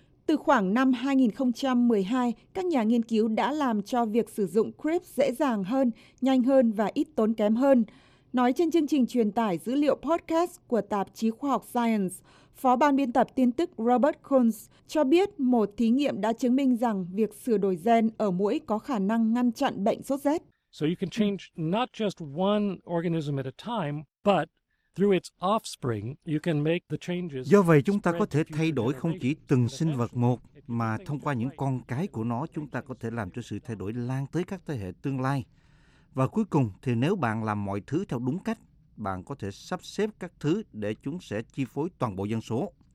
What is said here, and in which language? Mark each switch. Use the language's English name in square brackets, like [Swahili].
[Vietnamese] Từ khoảng năm 2012, các nhà nghiên cứu đã làm cho việc sử dụng CRISPR dễ dàng hơn, nhanh hơn và ít tốn kém hơn. Nói trên chương trình truyền tải dữ liệu podcast của tạp chí khoa học Science, Phó ban biên tập tin tức Robert Kunz cho biết một thí nghiệm đã chứng minh rằng việc sửa đổi gen ở muỗi có khả năng ngăn chặn bệnh sốt rét. [English] So you can change not just one organism at a time, but through its offspring, you can make the changes. [Vietnamese] Do vậy chúng ta có thể thay đổi không chỉ từng sinh vật một mà thông qua những con cái của nó chúng ta có thể làm cho sự thay đổi lan tới các thế hệ tương lai. Và cuối cùng thì nếu bạn làm mọi thứ theo đúng cách, bạn có thể sắp xếp các thứ để chúng sẽ chi phối toàn bộ dân số.